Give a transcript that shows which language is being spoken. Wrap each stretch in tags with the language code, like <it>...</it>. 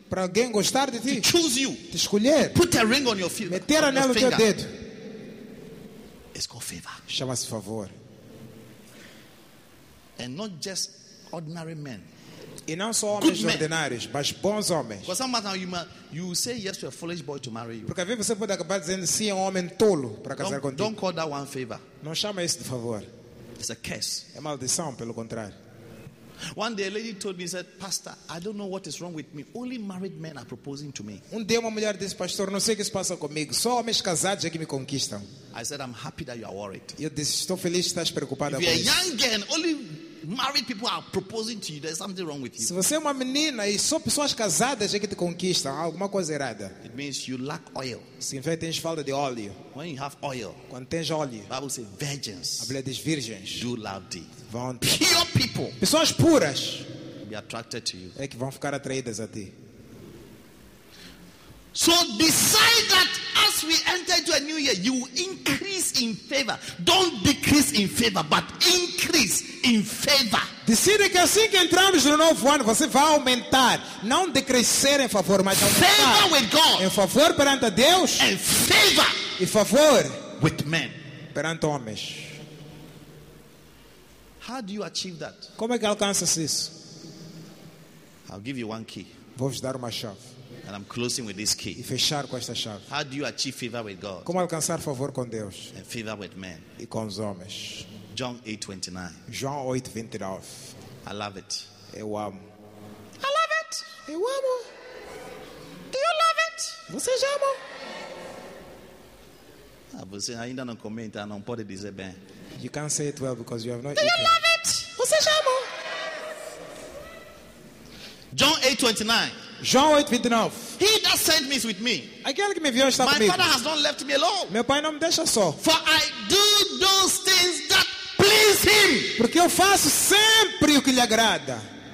<pt>Para alguém gostar de ti.</pt> <en>To choose you.</en> <pt>Te escolher.</pt> <en>Put a ring on your finger.</en> <pt>Meter anel no teu dedo.</pt> <en>It's called favor.</en> <pt>Chama-se favor.</pt> <en>And not just ordinary men.</en> <pt>E não só homens ordinários, mas bons homens.</pt> <en>Because sometimes you say yes to a foolish boy to marry you.</en> <pt>Porque às vezes você pode acabar dizendo sim a um homem tolo para casar contigo.</pt> <en>Don't call that one favor.</en> <pt>Não chama isso de favor.</pt> <en>It's a curse.</en> <pt>É maldição, pelo contrário.</pt> <en>One day a lady told me, said, Pastor, I don't know what is wrong with me. Only married men are proposing to me.</en> <pt>Um dia uma mulher disse, Pastor, não sei o que se passa comigo. Só homens casados é que me conquistam.</pt> <en>I said, I'm happy that you are worried.</en> <pt>Eu disse, estou feliz que estás preocupada.</pt> <en>If you're young again, only married people are proposing to you. There's something wrong with you.</en> <pt>Se você é uma menina e só pessoas casadas é que te conquistam, alguma coisa errada.</pt> <en>It means you lack oil.</en> <pt>Significa que tens falta de óleo.</pt> <en>When you have oil,</en> <pt>quando tens óleo,</pt> <en>the Bible says virgins.</en> <pt>A Bíblia diz virgens.</pt> <en>Do love thee.</en> <pt>Vão</pt> <en>pure people.</en> <pt>Pessoas puras.</pt> <en>Be attracted to you.</en> <pt>É que vão ficar atraídas a ti.</pt> <en>So decide that as we enter into a new year, you increase in favor. Don't decrease in favor, but increase in favor.</en> <pt>Decide que assim que entramos no novo ano, você vai aumentar, não decrescer em favor, mas aumentar.</pt> <en>Favor with God.</en> <pt>Em favor perante Deus.</pt> <en>And favor.</en> <pt>E favor</pt> <en>with men.</en> <pt>Perante homens.</pt> <en>How do you achieve that?</en> <pt>Como é que alcanças isso?</pt> <en>I'll give you one key.</en> <pt>Vou-vos dar uma chave.</pt> <en>And I'm closing with this key.</en> <pt>E fechar com esta chave.</pt> <en>How do you achieve favor with God?</en> <pt>Como alcançar favor com Deus?</pt> <en>And favor with men.</en> <pt>E com os homens.</pt> <en>John 8:29. I love it.</en> <pt>Eu amo.</pt> <en>I love it.</en> <pt>Eu amo.</pt> <en>Do you love it?</en> <pt>Você já ama? Ah, você ainda não comenta, não pode dizer bem.</pt> <en>You can't say it well because you have not do eaten. You love it?</en> <pt>Você já ama?</pt> <en>John 8:29.</en> <pt>João 8:29.</pt> <en>He that sent me is with me.</en> <pt>Aquele que me enviou está</pt> <en>my</en> <pt>comigo.</pt> <en>Father has not left me alone.</en> <pt>Meu pai não me deixa só.</pt> <en>For I do those things that please him.</en> <pt>Porque eu faço sempre o que lhe agrada.</pt>